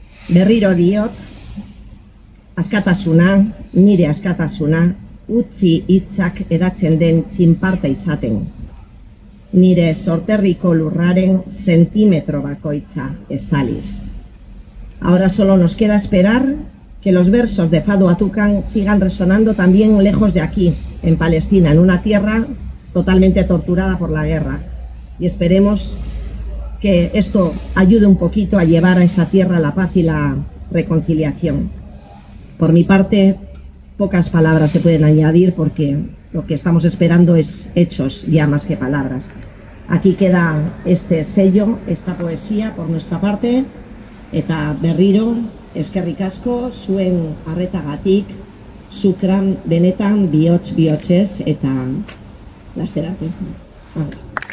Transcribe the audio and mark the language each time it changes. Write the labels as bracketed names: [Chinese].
[Basque] Berriro diot, askatasuna, nire askatasuna, utzi hitzak edatzen den txinparta izaten. Nire sorterriko lurraren zentimetro bakoitza estaliz. [Spanish] Ahora solo nos queda esperar que los versos de Fadua Tucán sigan resonando también lejos de aquí, en Palestina, en una tierra totalmente torturada por la guerra. Y esperemos que esto ayude un poquito a llevar a esa tierra la paz y la reconciliación. Por mi parte, pocas palabras se pueden añadir porque lo que estamos esperando es hechos ya más que palabras. Aquí queda este sello, esta poesía por nuestra parte. [Basque] Eta berriro, eskerrik asko, zuen arretagatik, zukran benetan bihotz bihotzez, eta laster arte. Vale.